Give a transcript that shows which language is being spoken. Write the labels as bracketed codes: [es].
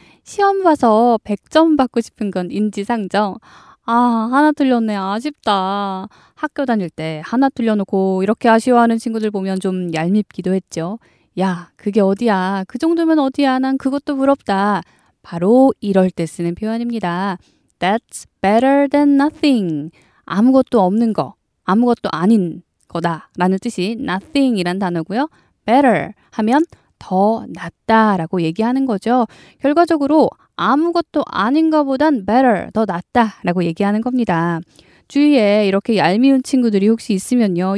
[ko] 시험 봐서 100점 받고 싶은 건 인지상정. 아, 하나 틀렸네. 아쉽다. 학교 다닐 때 하나 틀려놓고 이렇게 아쉬워하는 친구들 보면 좀 얄밉기도 했죠. 야, 그게 어디야. 그 정도면 어디야. 난 그것도 부럽다. 바로 이럴 때 쓰는 표현입니다. [en] That's better than nothing. [ko] 아무것도 없는 거, 아무것도 아닌 거다 라는 뜻이 nothing이란 단어고요. better 하면 더 낫다라고 얘기하는 거죠. 결과적으로 아무것도 아닌 것보단 better, 더 낫다라고 얘기하는 겁니다. 주위에 이렇게 얄미운 친구들이 혹시 있으면요.